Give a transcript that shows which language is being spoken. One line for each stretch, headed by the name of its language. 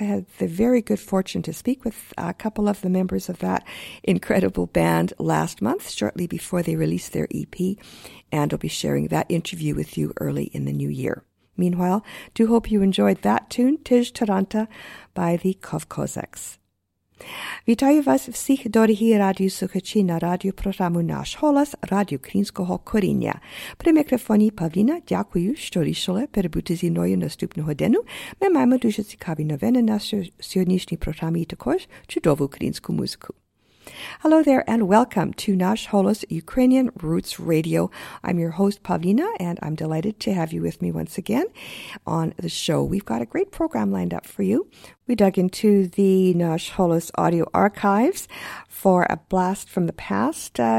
English: I had the very good fortune to speak with a couple of the members of that incredible band last month, shortly before they released their EP. And I'll be sharing that interview with you early in the new year. Meanwhile, do hope you enjoyed that tune, Tij Taranta, by the Kovkozeks.
Ukrainian: Вітаю вас всіх, дорогі радіослухачі, на радіопрограму «Наш голос» Радіо Українського коріння. При мікрофоні Павліна, дякую, що рішили перебути зі мною наступного дню. Ми маємо дуже цікаві новини на сьогоднішній програмі і також чудову українську музику.
English: Hello there and welcome to Nash Holos Ukrainian Roots Radio. I'm your host, Pavlina, and I'm delighted to have you with me once again on the show. We've got a great program lined up for you. We dug into the Nash Holos audio archives for a blast from the past.